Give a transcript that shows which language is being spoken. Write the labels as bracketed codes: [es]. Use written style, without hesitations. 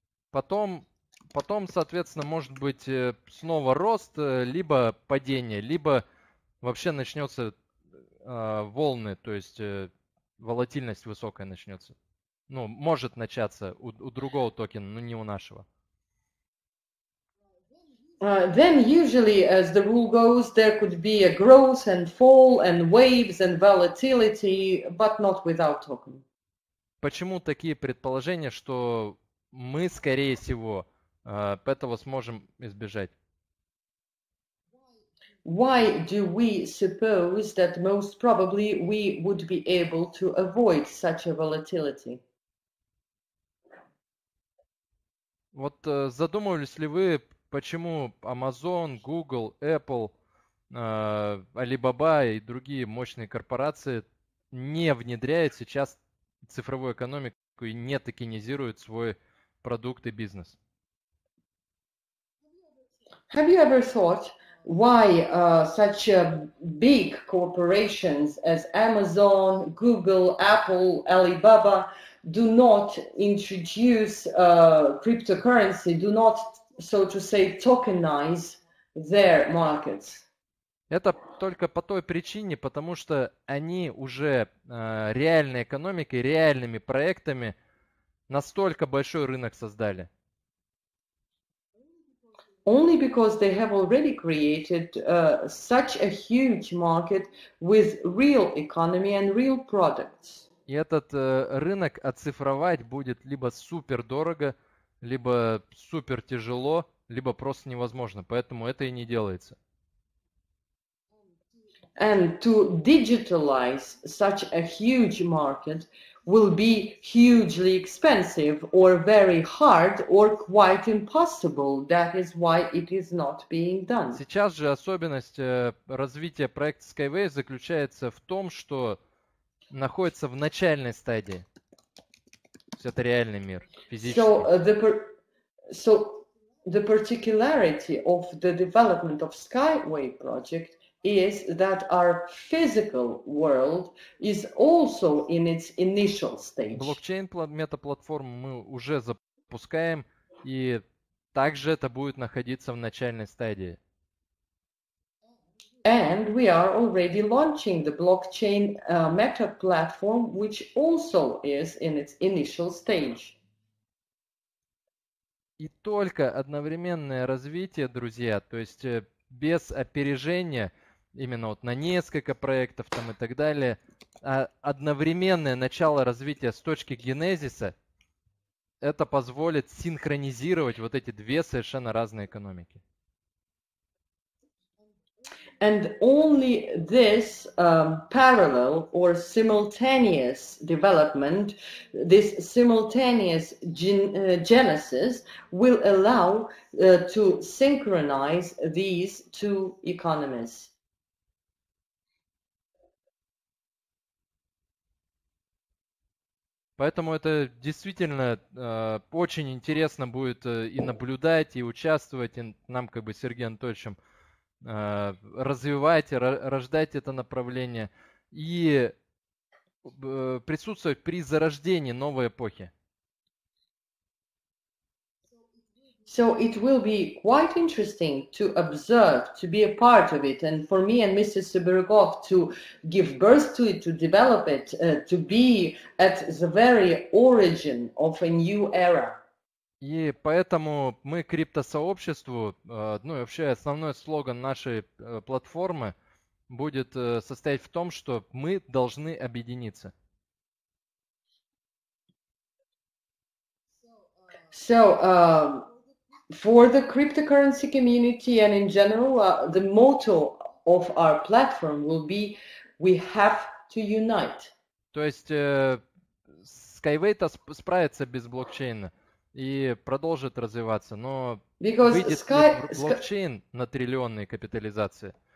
[ru] Потом, соответственно, может быть снова рост, либо падение, либо вообще начнется волны, то есть волатильность высокая начнется. Ну, может начаться у другого токена, но не у нашего. [en] Then usually, as the rule goes, there could be a growth and fall and waves and volatility, but not without token. [ru] Почему такие предположения, что мы, скорее всего, этого сможем избежать? [en] Why do we suppose that most probably we would be able to avoid such a volatility? [ru] Вот задумывались ли вы, почему Amazon, Google, Apple, Alibaba и другие мощные корпорации не внедряют сейчас цифровую экономику и не токенизируют свой продукт и бизнес? [en] Have you ever thought why such big corporations as Amazon, Google, Apple, Alibaba do not introduce cryptocurrency, do not, so to say, tokenize their markets? [ru] Это только по той причине, потому что они уже реальной экономикой, реальными проектами настолько большой рынок создали. [en] Only because they have already created such a huge market with real economy and real products. [ru] И этот рынок оцифровать будет либо супер дорого, либо супер тяжело, либо просто невозможно. Поэтому это и не делается. [en] And to digitalize such a huge market will be hugely expensive or very hard or quite impossible. That is why it is not being done. [ru] Сейчас же особенность развития проекта Skyway заключается в том, что находится в начальной стадии. То есть это реальный мир, физический. [en] So the particularity of the development of Skyway project is that our physical world is also in its initial stage. [ru] Блокчейн метаплатформу мы уже запускаем, и также это будет находиться в начальной стадии. [en] And we are already launching the blockchain meta platform, which also is in its initial stage. [ru] И только одновременное развитие, друзья, то есть без опережения, именно вот на несколько проектов там и так далее, а одновременное начало развития с точки генезиса, это позволит синхронизировать вот эти две совершенно разные экономики. [en] And only this parallel or simultaneous development, this simultaneous genesis will allow to synchronize these two economies. [ru] Поэтому это действительно очень интересно будет и наблюдать, и участвовать, и нам как бы Сергеем Анатольевичем развивать, рождать это направление и присутствовать при зарождении новой эпохи. [en] So it will be quite interesting to observe, to be a part of it, and for me and Mr. Sibirikov to give birth to it, to develop it, to be at the very origin of a new era. [ru] И поэтому мы криптосообществу, ну и вообще основной слоган нашей платформы будет состоять в том, что мы должны объединиться. [en] So, for the cryptocurrency community and in general, the motto of our platform will be we have to unite. [ru] То есть Skyway-то справится без блокчейна и продолжит развиваться, но [en] Because [ru] выйдет Sky... блокчейн на триллионные капитализации.